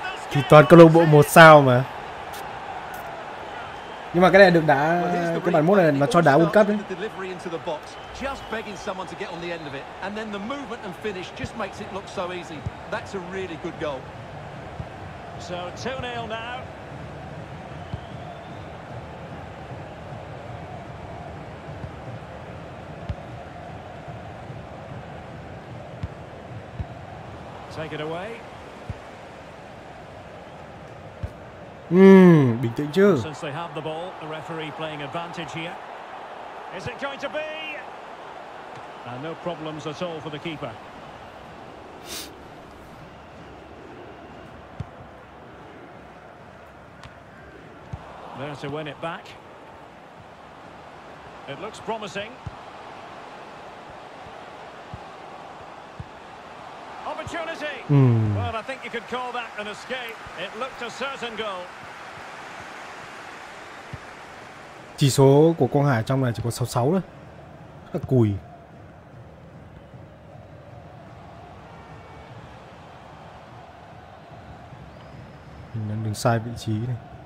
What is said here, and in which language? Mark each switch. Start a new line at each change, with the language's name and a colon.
Vietnamese: Chỉ toàn câu lạc bộ một sao mà. Nhưng mà cái này được đá, cái bản mốt này nó cho đá World Cup đấy.
English: Just begging someone to get on the end of it, and then the movement and finish just makes it look so easy. That's a really good goal. So 2-0 now. Take it away.
Vietnamese: Bình tĩnh chứ.
English: Since they have the ball, the referee playing advantage here. Is it going to be? And no problems at all for the keeper. There to win it back. It looks promising. Opportunity. Well, I think you could call that an escape. It looked a certain goal.
Vietnamese: Chỉ số của Quang Hải trong này chỉ có 66 thôi. Rất là cùi. Mình đang đứng sai vị trí này.